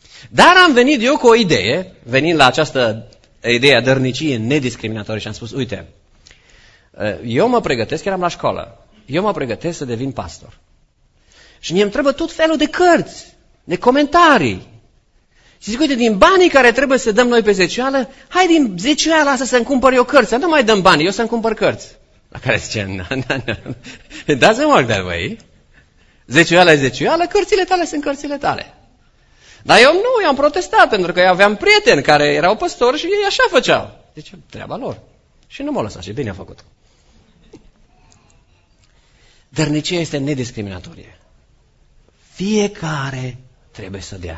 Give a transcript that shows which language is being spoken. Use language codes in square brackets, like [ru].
[ro] Dar am venit eu cu o idee, venind la această idee a dărniciei nediscriminatorii și am spus, uite, eu mă pregătesc, eram la școală, eu mă pregătesc să devin pastor. Și mie îmi trebuie tot felul de cărți, de comentarii. Și zic, uite, din banii care trebuie să dăm noi pe zecioală, hai din zecioală asta să-mi cumpăr eu cărți. Nu mai dăm bani, eu să-mi cumpăr cărți. La care zice, [en] it doesn't work that way. [ro] Zecioală e zecioală, cărțile tale sunt cărțile tale. Dar eu nu, i-am protestat, pentru că eu aveam prieteni care erau păstori și ei așa făceau. Deci, treaba lor. Și nu m-a lăsat și bine a făcut. Dărnicia este nediscriminatorie. Fiecare trebuie să dea.